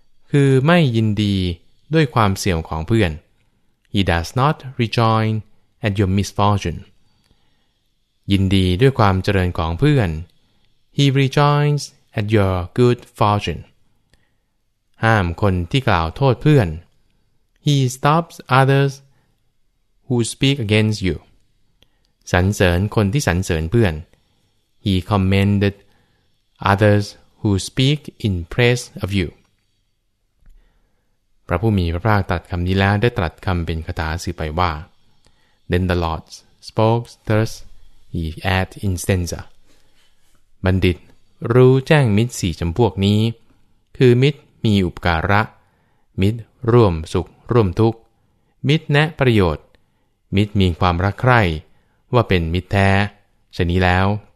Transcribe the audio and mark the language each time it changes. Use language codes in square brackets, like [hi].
[th] คือไม่ยินดีด้วยความเสื่อมของเพื่อน [en] He does not rejoin at your misfortune [th] ยินดีด้วยความเจริญของเพื่อน [en] He rejoinsAt your good fortune. [th] ห้ามคนที่กล่าวโทษเพื่อน. [en] He stops others who speak against you. [th] สรรเสริญคนที่สรรเสริญเพื่อน. [en] He commended others who speak in praise of you. [th] พระผู้มีพระภาคตรัสคำนี้แล้วได้ตรัสคำเป็นคาถาสืบไปว่า. [en] Then the Lord spoke thus. He added in stanza. [th] บัณฑิตรู้แจ้งมิตร4จำพวกนี้คือมิตรมีอุปการะมิตรร่วมสุขร่วมทุกข์มิตรแนะประโยชน์มิตรมีความรักใคร่ว่าเป็นมิตรแท้ฉะนี้แล้ว